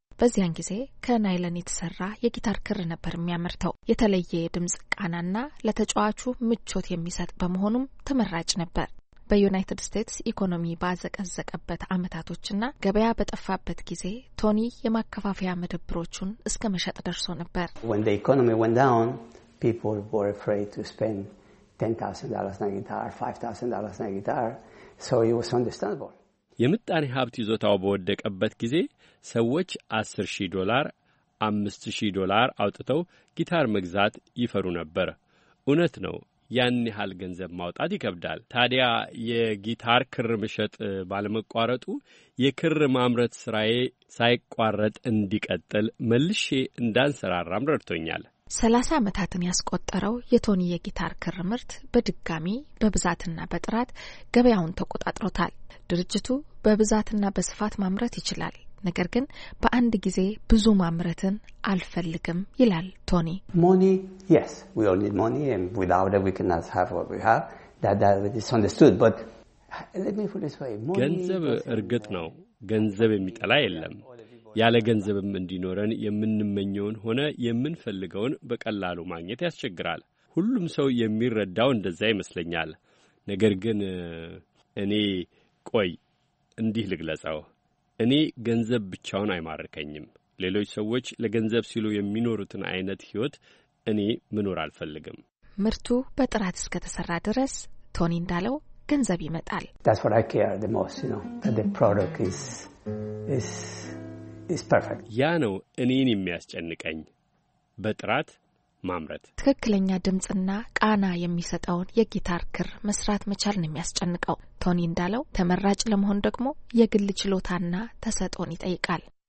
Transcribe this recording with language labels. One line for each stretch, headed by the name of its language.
Amharic: በዚያን ጊዜ ከናይለን የተሰራ የጊታር ክር ነበር የሚያመርተው። የተለየ የድምጽ ቃናና ለተጫዋቹ ምቾት የሚሰጥ በመሆኑም ተመራጭ ነበር። በዩናይትድ ስቴትስ ኢኮኖሚ ባዘቀዘቀበት አመታቶችና ገበያ በጠፋበት ጊዜ ቶኒ የማከፋፊያ መደብሮቹን እስከ መሸጥ ደርሶ ነበር።
English: When the economy went down, people were afraid to spend $10,000 on a guitar, $5,000 on a guitar, so it was understandable.
Amharic: የምጣኔ ሀብት ይዞታው በወደቀበት ጊዜ ሰዎች $10,000, $5,000 አውጥተው ጊታር መግዛት ይፈሩ ነበር። እውነት ነው። ያን ያህል ገንዘብ ማውጣት ይከብዳል። ታዲያ የጊታር ክር መሸጥ ባለመቋረጡ የክር ማምረት ስራዬ ሳይቋረጥ እንዲቀጥል መልሼ እንዳንሰራራም ረድቶኛል። 30 አመታትን ያስቆጠረው የቶኒ የጊታር ክር ምርት በድጋሚ በብዛትና በጥራት ገበያውን ተቆጣጥሮታል። ድርጅቱ በብዛትና በስፋት ማምረት ይችላል። ነገር ግን በአንድ ጊዜ ብዙ ማምረትን አልፈልግም ይላል ቶኒ።
English: Money, yes, we all need money and without it we cannot have what we have. That is understood, but let me put this way.
Amharic: ገንዘብ እርግጥ ነው፣ ገንዘብ የሚጠላ የለም። ያለ ገንዘብም እንዲኖረን የምንመኘውን ሆነ የምንፈልገውን በቀላሉ ማግኘት ያስቸግራል። ሁሉም ሰው የሚረዳው እንደዛ ይመስለኛል። ነገር ግን እኔ ቆይ እንዲህ ልግለጸው፣ እኔ ገንዘብ ብቻውን አይማርከኝም። ሌሎች ሰዎች ለገንዘብ ሲሉ የሚኖሩትን አይነት ህይወት እኔ ምኖር አልፈልግም። ምርቱ በጥራት እስከተሰራ ድረስ ቶኒ እንዳለው ገንዘብ ይመጣል።
English: That's what I care the most, you know, that the product is perfect.
Amharic: ያ ነው እኔን የሚያስጨንቀኝ፣ በጥራት ማምረት። ትክክለኛ ድምጽና ቃና የሚሰጠውን የጊታር ክር መስራት መቻል ነው የሚያስጨንቀው። ቶኒ እንዳለው ተመራጭ ለመሆን ደግሞ የግል ችሎታና ተሰጥኦን ይጠይቃል።